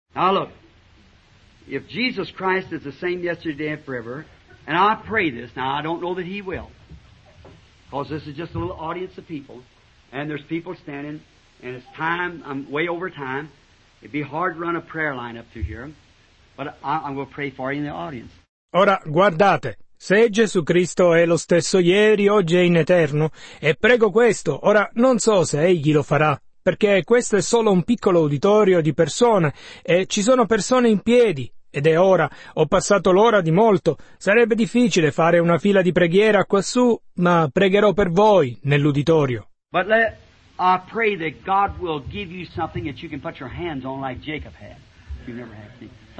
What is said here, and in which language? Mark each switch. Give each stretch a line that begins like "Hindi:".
English: Now look, if Jesus Christ is the same yesterday and forever, and I pray this, now I don't know that he will, because this is just a little audience of people, and there's people standing, and it's time, I'm way over time, it'd be hard to run a prayer line up to here. But I will pray for you in the audience.
Italian: Ora, guardate, se Gesù Cristo è lo stesso ieri, oggi e in eterno, e prego questo, ora non so se egli lo farà, perché questo è solo un piccolo uditorio di persone, e ci sono persone in piedi, ed è ora, ho passato l'ora di molto, sarebbe difficile fare una fila di preghiera quassù, ma pregherò per voi nell'uditorio.
English: But I pray that God will give you something that you can put your hands on like Jacob had, if you never had seen.